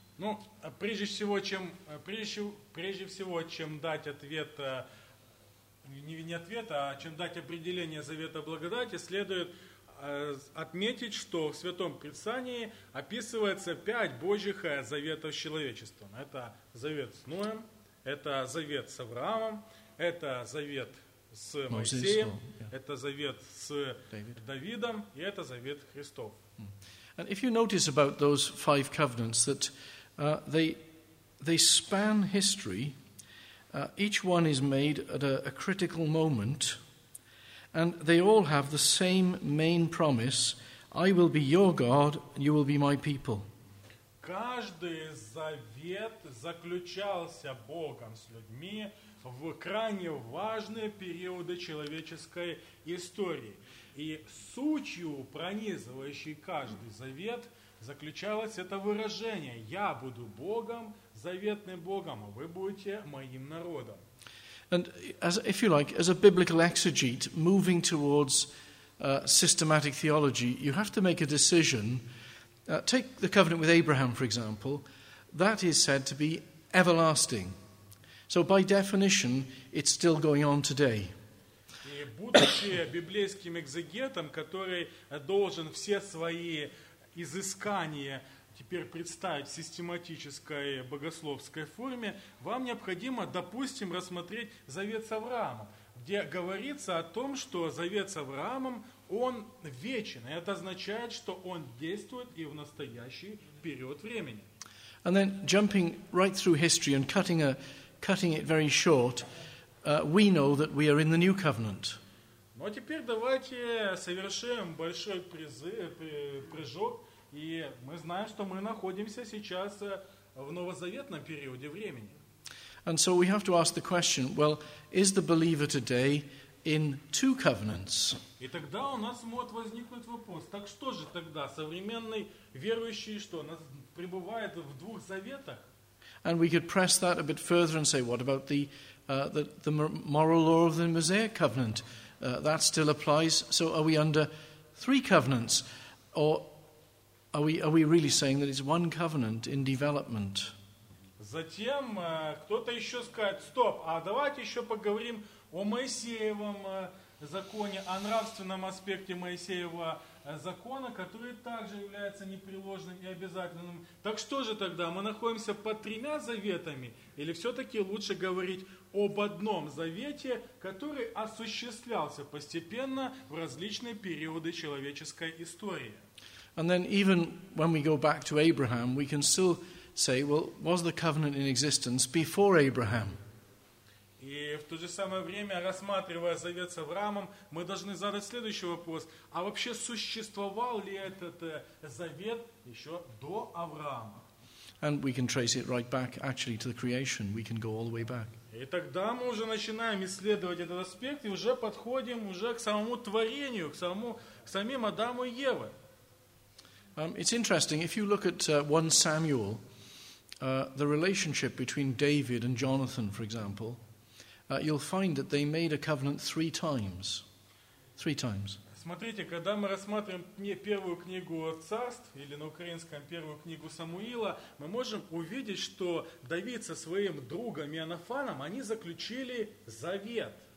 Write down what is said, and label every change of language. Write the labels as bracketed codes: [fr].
[ru] Ну, прежде всего, чем дать ответ, не ответ, а чем дать определение завета благодати, следует отметить, что в Святом Писании описывается пять Божьих заветов с человечеством. Это завет с Ноем, это завет с Авраамом, это завет с Моисеем, [en] Moses, yeah. [ru] это завет с David. Давидом и это завет Христов. [en] And if you notice about those five covenants, that they span history, each one is made at a critical moment, and they all have the same main promise: I will be your God, and you will be my people. [ru] Каждый завет заключался Богом с людьми в крайне важные периоды человеческой истории. И сутью, пронизывающей каждый завет, заключалось это выражение: «Я буду Богом, заветным Богом, а вы будете моим народом». [en] And as, if you like, as a biblical exegete, moving towards systematic theology, you have to make a decision. Take the covenant with Abraham, for example. That is said to be everlasting. So by definition, it's still going on today. [ru] И будучи библейским экзегетом, который должен все свои изыскания теперь представить в систематической богословской форме, вам необходимо, допустим, рассмотреть завет с Авраамом, где говорится о том, что завет с Авраамом, он вечен. Это означает, что он действует и в настоящий период времени. [en] And then jumping right through history and cutting it very short, we know that we are in the new covenant. [ru] Ну, а теперь давайте совершим большой прыжок, и мы знаем, что мы находимся сейчас в новозаветном периоде времени. [en] And so we have to ask the question, well, is the believer today in two covenants? [ru] И тогда у нас может возникнуть вопрос: так что же тогда современный верующий, что он пребывает в двух заветах? [en] And we could press that a bit further and say, what about the moral law of the Mosaic covenant? That still applies. So are we under three covenants, or are we really saying that it's one covenant in development? [ru] Затем кто-то еще скажет: стоп, а давайте еще поговорим о Моисеевом законе, о нравственном аспекте Моисеева закона, который также является непреложным и обязательным. Так что же тогда, мы находимся под тремя заветами, или все-таки лучше говорить об одном завете, который осуществлялся постепенно в различные периоды человеческой истории? [en] And then even when we go back to Abraham, we can still say, well, was the covenant in existence before Abraham? [ru] И в то же самое время, рассматривая завет с Авраамом, мы должны задать следующий вопрос: а вообще существовал ли этот завет еще до Авраама? [en] And we can trace it right back actually to the creation. We can go all the way back. [ru] И тогда мы уже начинаем исследовать этот аспект и уже подходим уже к самому творению, к самим Адаму и Еве. [en] It's interesting, if you look at 1 Samuel, the relationship between David and Jonathan, for example, you'll find that they made a covenant three times. Three times. [ru] Смотрите, когда мы рассматриваем первую книгу царств, или на украинском первую книгу Самуила, мы можем увидеть, что Давид со своим другом Иоаннафаном, они заключили завет.